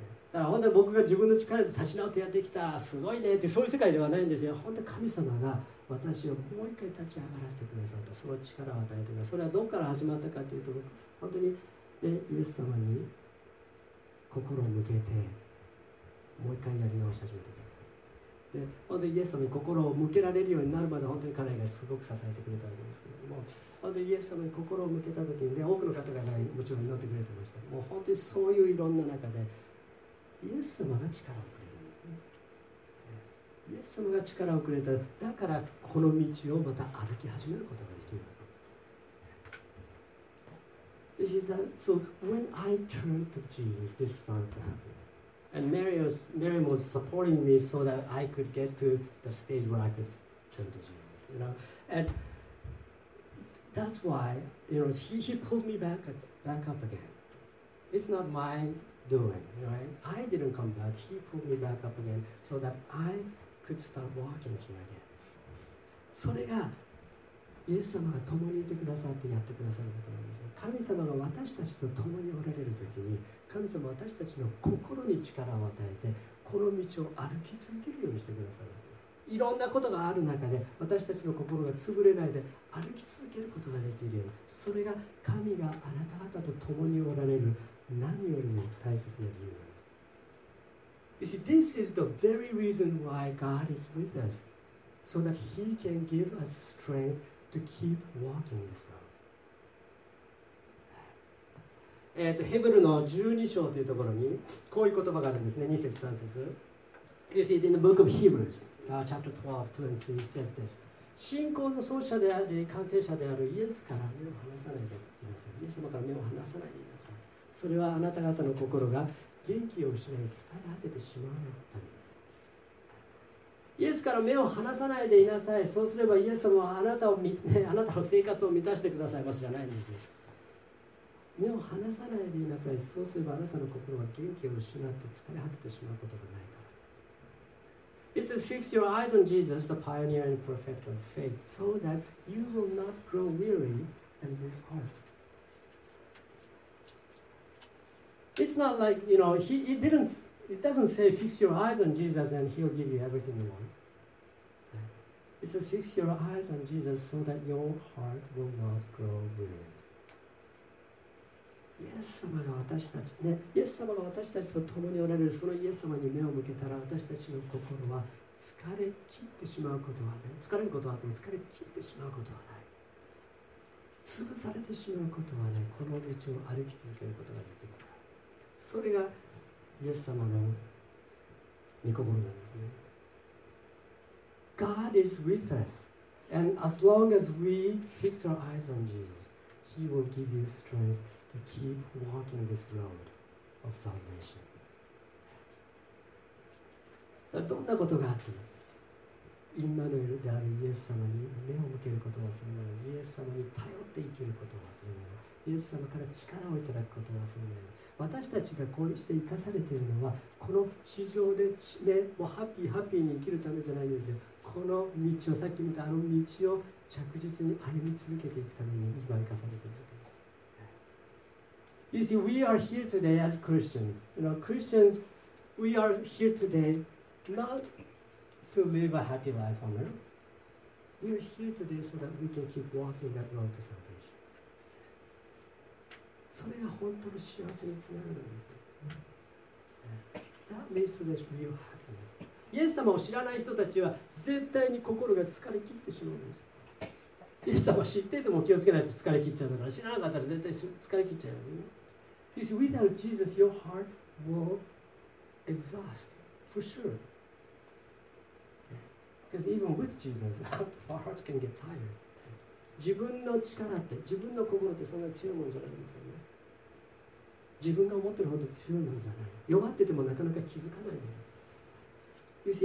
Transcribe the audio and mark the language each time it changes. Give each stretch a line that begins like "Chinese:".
Japanese: だから本当に僕が自分の力で立ち直ってやってきた、すごいねって、そういう世界ではないんですよ。本当に神様が私をもう一回立ち上がらせてくださった、その力を与えてください。それはどこから始まったかというと、本当に、ね、イエス様に心を向けてもう一回やり直し始めてくる。で、本当にイエス様に心を向けられるようになるまで本当に彼がすごく支えてくれたわけですけれども、本当にイエス様に心を向けた時に、ね、多くの方がもちろん祈ってくれてました。もう本当にそういういろんな中でイエス様が力をくれるんですね。イエス様が力をくれた。だからこの道をまた歩き始めることができるわけです。
English: You see that? So when I turned to Jesus, this started to happen. And Mary was supporting me so that I could get to the stage where I could turn to Jesus. You know? And that's why, you know, he pulled me back up again. It's not my... doing, right? I didn't come back. He pulled me back up again so that I could start walking here again.
Japanese: それがイエス様が共にいてくださってやってくださることなんですよ。神様が私たちと共におられるときに、神様は私たちの心に力を与えて、この道を歩き続けるようにしてくださるんです。いろんなことがある中で、私たちの心が潰れないで歩き続けることができるように、それが神があなた方と共におられる何よりも大切な理由なんです。
English: You see, this is the very reason why God is with us, so that He can give us strength. To keep walking this road.
Japanese: ヘブルの12章というところにこういう言葉があるんですね。 2節3節。
English: You see, in the book of Hebrews, chapter 12, 22, it says this.
Japanese: 信仰の創始者であり、完成者であるイエスから目を離さないでいなさい。イエス様から目を離さないでいなさい。それはあなた方の心が元気を失い、疲れ果ててしまうのだ。イエスから目を離さないでいなさい。そうすればイエス様はあなたの生活を満たしてくださいますじゃないんですよ。目を離さないでいなさい。そうすればあなたの心は元気を失って疲れ果ててしまうことがないから。
English: It says, fix your eyes on Jesus, the pioneer and perfecter of faith, so that you will not grow weary and lose heart. It's not like, you know, It doesn't say fix your eyes on Jesus and he'll give you everything you want. It says fix your eyes on Jesus so that your heart will not grow weary.
Japanese: イエス様が私たちね、イエス様が私たちと共におられる、そのイエス様に目を向けたら私たちの心は疲れ切ってしまうことはない。疲れることはあっても疲れ切ってしまうことはない。潰されてしまうことはない。この道を歩き続けることができる。それがイエス様の御心なんですね。
English: God is with us, and as long as we fix our eyes on Jesus, He will give you strength to keep walking this road of salvation.
Japanese: どんなことがあっても、イマヌエルであるイエス様に目を向けることを忘れない、イエス様に頼って生きることを忘れない、イエス様から力をいただくことを忘れない。私たちがこうして生かされているのはこの地上で、ね、もうハッピーハッピーに生きるためじゃないですよ。この道をさっき見たあの道を着実に歩み続けていくために今生かされているわけです。
English: You see, we are here today as Christians. You know, Christians, we are here today not to live a happy life on earth. We are here today so that we can keep walking that road to salvation.
Japanese: それが本当の幸せにつながるんですよ。
English: That leads to this real happiness.
Japanese: イエス様を知らない人たちは絶対に心が疲れ切ってしまうんですよ。イエス様を知っていても気をつけないと疲れ切っちゃうんだから、知らなかったら絶対疲れ切っちゃいますよ。
English: You see, without Jesus, your heart will exhaust, for sure. Because even with Jesus, our hearts can get tired.
Japanese: 自分の力って、自分の心ってそんなに強いものじゃないんですよね。自分が思ってるほど強いものじゃない。弱っててもなかなか気づかないんです。